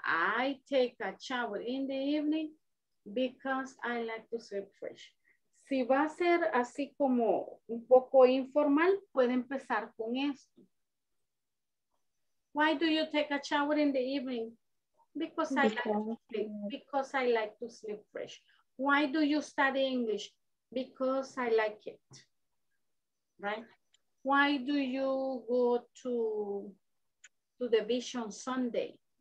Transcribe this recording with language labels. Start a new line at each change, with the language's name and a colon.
English: I take a shower in the evening because I like to sleep fresh.
Spanish: Si va a ser así como un poco informal, puede empezar con esto.
English: Why do you take a shower in the evening? Because I like to sleep fresh. Why do you study English? Because I like it. Right? Why do you go to the beach on Sunday?